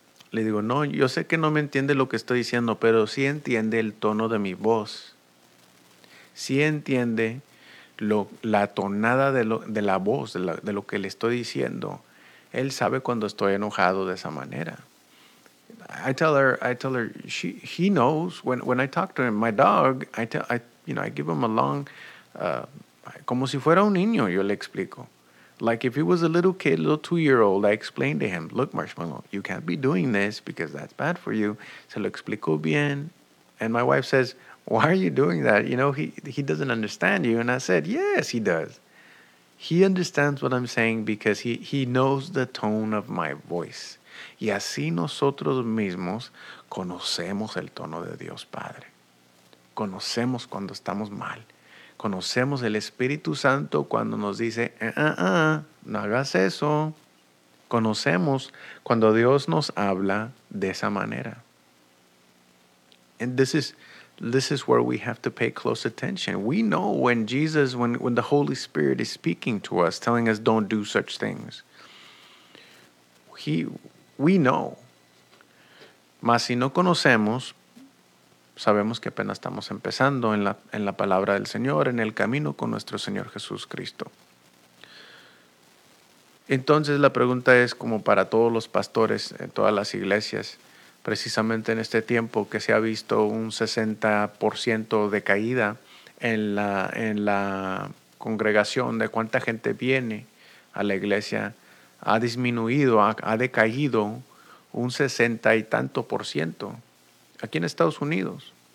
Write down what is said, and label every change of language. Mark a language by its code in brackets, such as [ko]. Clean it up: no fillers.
[es] Le digo, no, yo sé que no me entiende lo que estoy diciendo, pero sí entiende el tono de mi voz. Sí entiende la tonada de la voz, de lo que le estoy diciendo. Él sabe cuando estoy enojado de esa manera. [en] I tell her, he knows when I talk to him. My dog, I give him a long, [es] como si fuera un niño, yo le explico. [en] Like if he was a little kid, a little 2-year-old, I explained to him, look, Marshmallow, you can't be doing this because that's bad for you. [es] Se lo explico bien. [en] And my wife says, why are you doing that? You know, he doesn't understand you. And I said, yes, he does. he understands what I'm saying because he knows the tone of my voice. [es] Y así nosotros mismos conocemos el tono de Dios Padre. Conocemos cuando estamos mal. Conocemos el Espíritu Santo cuando nos dice, no hagas eso. Conocemos cuando Dios nos habla de esa manera. [en] And this is where we have to pay close attention. We know when Jesus, when the Holy Spirit is speaking to us, telling us don't do such things. We know. [es] Mas si no conocemos, sabemos que apenas estamos empezando en la palabra del Señor, en el camino con nuestro Señor Jesús Cristo. Entonces la pregunta es como para todos los pastores en todas las iglesias, precisamente en este tiempo que se ha visto un 60% de caída en la congregación, de cuánta gente viene a la iglesia, ha disminuido, ha decaído un 60%+ aquí en Estados Unidos.